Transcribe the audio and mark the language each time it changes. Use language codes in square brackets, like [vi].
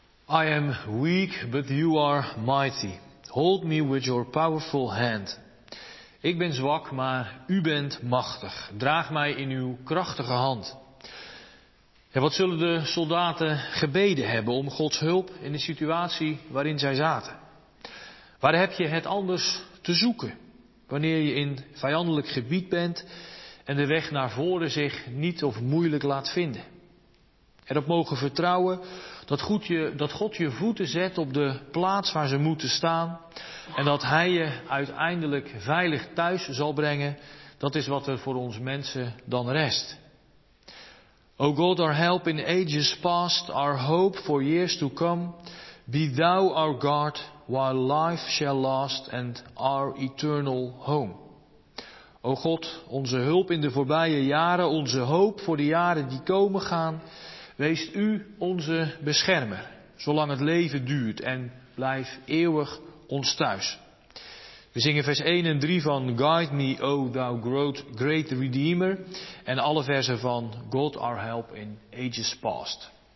[en] I am weak, but you are mighty. Hold me with your powerful hand. [nl] Ik ben zwak, maar u bent machtig. Draag mij in uw krachtige hand. En wat zullen de soldaten gebeden hebben om Gods hulp in de situatie waarin zij zaten? Waar heb je het anders te zoeken wanneer je in vijandelijk gebied bent en de weg naar voren zich niet of moeilijk laat vinden? Erop mogen vertrouwen dat God je voeten zet op de plaats waar ze moeten staan en dat Hij je uiteindelijk veilig thuis zal brengen, dat is wat er voor ons mensen dan rest. [en] O God, our help in ages past, our hope for years to come, be Thou our guard while life shall last and our eternal home. [nl] O God, onze hulp in de voorbije jaren, onze hoop voor de jaren die komen gaan, wees U onze beschermer, zolang het leven duurt en blijf eeuwig ons thuis. We zingen vers 1 en 3 van Guide me, O thou great Redeemer, en alle versen van God our help in ages past.